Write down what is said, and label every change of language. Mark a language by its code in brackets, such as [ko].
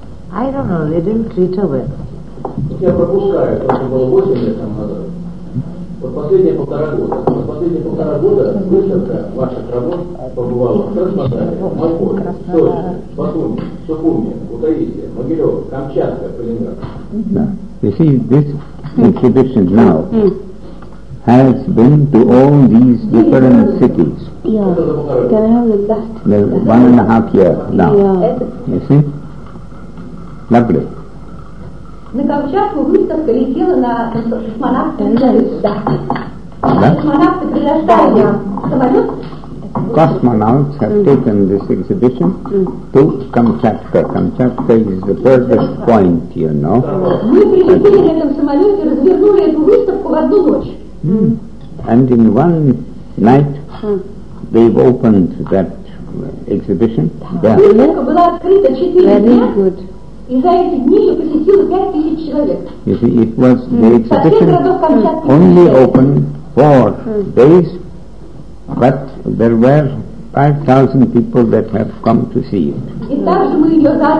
[en] I don't know, they didn't treat her well. [ru] Я пропускаю, что это было 8 лет там назад. Вот последние полтора года выставка ваших работ побывала в Краснодаре, в Москве, в Сочи, в Батуми, в Сухуми, в Утаисе, в Могилеве, Камчатка, Калининград. [en] You see, this exhibition now has been to all these different cities. Yeah. Can I have the last? The 1.5 years now. Yeah. You see? Lovely. [ru] На Камчатку выставка летела на Космонавты [en] have taken this exhibition to Kamchatka. Kamchatka is the furthest point, you know. [ru] Мы прилетели на этом самолете, развернули эту выставку в одну ночь. [en] And in one night, they've opened that exhibition. Yeah. Very good. You see, it was the exhibition only open 4 days, but there were 5,000 people that have come to see it.